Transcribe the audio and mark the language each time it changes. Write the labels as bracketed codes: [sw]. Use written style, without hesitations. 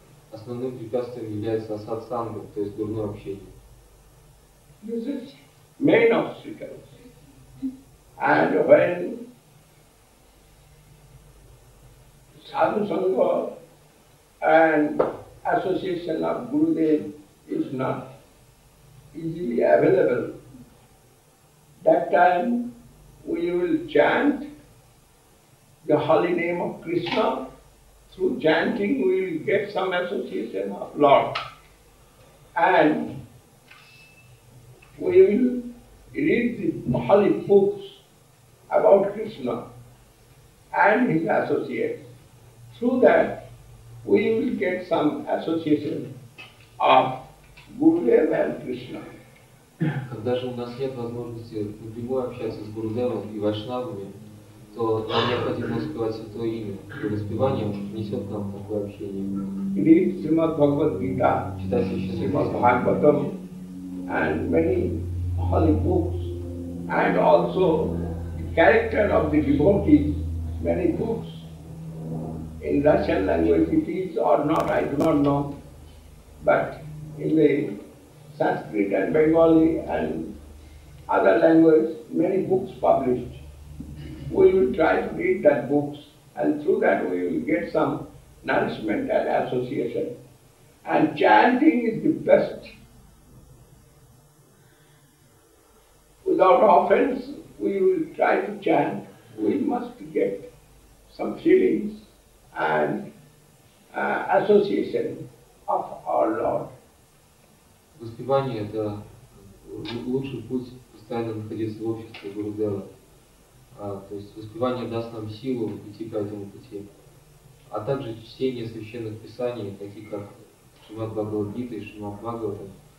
[ru] Основным препятствием является сатсанга, то есть дурное общение. [en] This is main obstacle. And when sadhusanga and association of Gurudev is not easily available, that time we will chant the holy name of Krishna. Through chanting, we will get some association of Lord, and we will read the holy books about Krishna and his associates. Through that, we will get some association of Gurudev and Krishna. [ru] Когда же у нас нет возможности напрямую общаться с Гурудевом и Вайшнавами, то нам необходимо успевать Святое Имя. И воспевание несет нам такое общение. [en] Read Srimad Bhagavad Gita, [ru] читать еще [en] Srimad Bhagavatam, and many holy books, and also the character of the devotees, many books. In Russian language it is or not, I do not know. But in the Sanskrit and Bengali and other languages, many books published. We will try to read that books, and through that we will get some nourishment and association. And chanting is the best. Without offense, we will try to chant. We must get some feelings and association of our Lord. [ru] Воспевание – это лучший путь постоянно находиться в обществе Гурудева. То есть воспевание даст нам силу идти по этому пути. А также чтение священных писаний, таких как Шримад Бхагавад Гита и Шримад Бхагаватам.